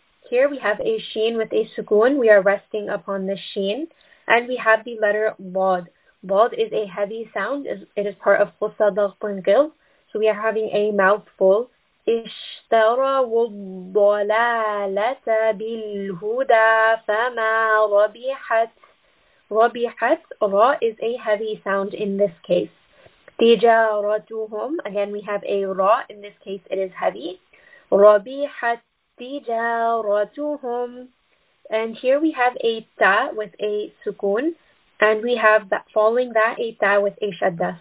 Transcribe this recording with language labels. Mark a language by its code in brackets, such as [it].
[en] Here we have a sheen with a sukun. We are resting upon the sheen. And we have the letter bod. Bod is a heavy sound. It is part of [ar] خصة ضغط قل. [en] So we are having a mouthful. [ar] اشتروا الضلالة بالهدى فما ربحت. [en] Rabihat, ra is a heavy sound in this case. Tijaratuhum, again we have a ra, in this case it is heavy. Rabihat tijaratuhum. And here we have a ta with a sukun, and we have that, following that a ta with a shadda.